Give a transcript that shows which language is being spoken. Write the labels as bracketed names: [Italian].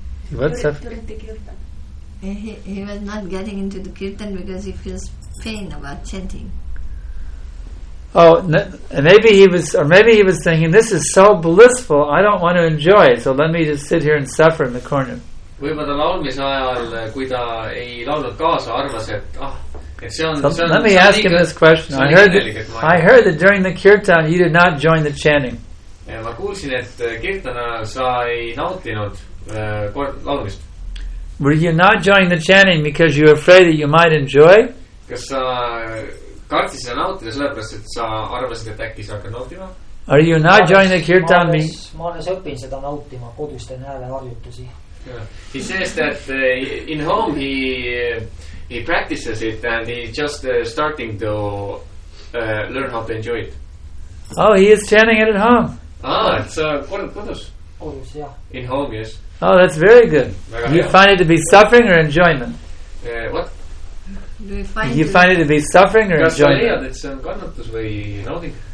[English] He was suffering. He was not getting into the kirtan because he feels pain about chanting. Oh, maybe he was thinking, this is so blissful, I don't want to enjoy it, so let me just sit here and suffer in the corner. [Estonian] Võibada laulmise ajal, kui ta ei laulnud kaasa, arvas, et [English] let me ask him this question. I heard that during the kirtan you did not join the chanting. [Estonian] Ja ma kuulsin, et kirtana sa ei nautinud laulmist. [English] Were you not joining the chanting because you were afraid that you might enjoy? [Estonian] Kas sa kartsid seda nautida sellepärast, et sa arvasid, et äkki sa hakkad nautima? [English] Are you not joining the kirtan? [Estonian] Ma alles õpin seda nautima koduste näele harjutusi. [English] He says that in home he practices it and he's just starting to learn how to enjoy it. Oh, he is chanting it at home. Ah, it's kodus. [Estonian] Kodus, [English] yeah. In home, yes. Oh, that's very good. Do you find it to be suffering or enjoyment? What? Do you find it to be suffering or enjoyment? [Estonian] Kas sa leiad, et see on kannatus või nauding?